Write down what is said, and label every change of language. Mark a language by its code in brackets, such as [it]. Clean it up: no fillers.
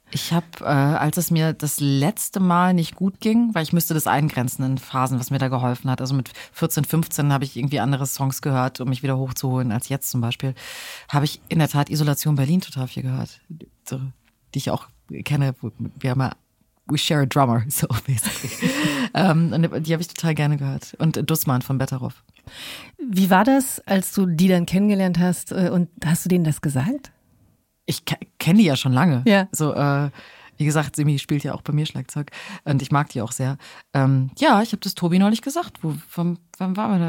[de] Ich habe, als es mir das letzte Mal nicht gut ging, weil ich müsste das eingrenzen in Phasen, was mir da geholfen hat. Also mit 14, 15 habe ich irgendwie andere Songs gehört, um mich wieder hochzuholen als jetzt zum Beispiel. Habe ich in der Tat Isolation Berlin total viel gehört. So, die ich auch kenne. [en] We share a drummer, so basically. [de] und die habe ich total gerne gehört. Und Dussmann von Betteroff. Wie war das, als du die dann kennengelernt hast und hast du denen das gesagt? Ich kenne die ja schon lange. Ja. So, wie gesagt, Simi spielt ja auch bei mir Schlagzeug und ich mag die auch sehr. Ich habe das Tobi neulich gesagt. Wann waren wir da?